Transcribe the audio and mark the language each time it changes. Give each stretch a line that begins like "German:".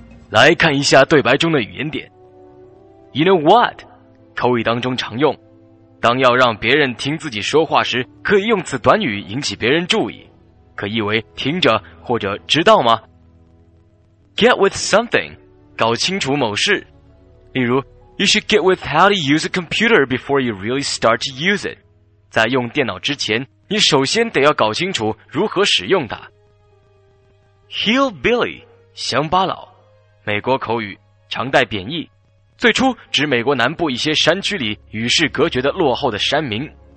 Chinese: 来看一下对白中的语言点。
English: You know what?
Chinese: 口语当中常用，当要让别人听自己说话时，可以用此短语引起别人注意，可译为听着或者知道吗？
English: Get with something,
Chinese: 搞清楚某事。例如
English: You should get with how to use a computer before you really start to use it.
Chinese: 在用电脑之前，你首先得要搞清楚如何使用它。 Hillbilly, 乡巴佬，美国口语，常带贬义，最初指美国南部一些山区里与世隔绝的落后的山民。